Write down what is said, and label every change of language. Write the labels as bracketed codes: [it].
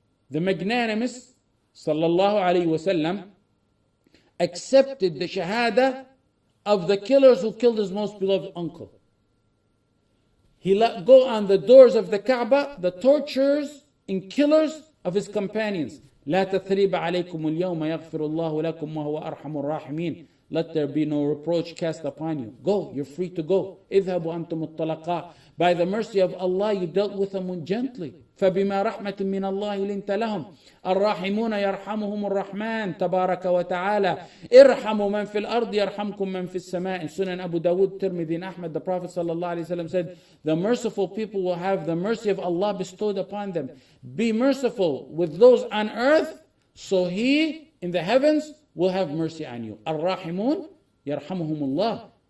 [en] The magnanimous, sallallahu alayhi wa sallam, accepted the shahada of the killers who killed his most beloved uncle. He let go on the doors of the Kaaba, the torturers and killers of his companions. [ar] لا تثريب عليكم اليوم يغفر الله لكم وهو أرحم الراحمين. [en] Let there be no reproach cast upon you. Go, you're free to go. [ar] اذهبوا أنتم الطلقاء. [en] By the mercy of Allah, you dealt with them gently. [ar] فبما رحمة من الله لنت لهم. الراحمون يرحمهم الرحمن تبارك وتعالى. ارحموا من في الأرض يرحمكم من في السماء. [en] Sunan Abu Dawud, Tirmidhi, Ahmad, the Prophet sallallahu alaihi wasallam said, the merciful people will have the mercy of Allah bestowed upon them. Be merciful with those on earth, so he in the heavens will have mercy on you. [ar] الراحمون يرحمهم الله.